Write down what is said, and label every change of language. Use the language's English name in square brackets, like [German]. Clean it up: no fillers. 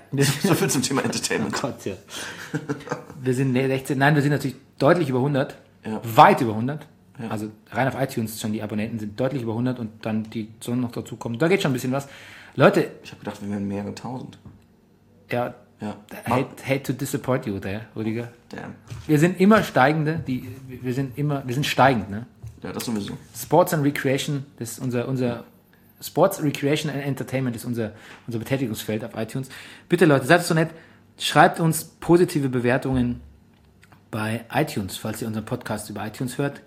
[German] So viel zum Thema Entertainment. Oh Gott, ja. Wir sind 16. Nein, wir sind natürlich deutlich über 100. Ja. Weit über 100. Ja. Also rein auf iTunes schon, die Abonnenten sind deutlich über 100 und dann die Zonen noch dazukommen. Da geht schon ein bisschen was. Leute... Ich habe gedacht, wir wären mehrere tausend. Ja. Ja. [English] Hate to disappoint you there, Rüdiger. Damn. [German] Wir sind immer steigende. Wir sind steigend, ne? Ja, das sowieso. Sports and Recreation, das ist unser Sports, Recreation and Entertainment ist unser Betätigungsfeld auf iTunes. Bitte Leute, seid so nett, schreibt uns positive Bewertungen bei iTunes, falls ihr unseren Podcast über iTunes hört.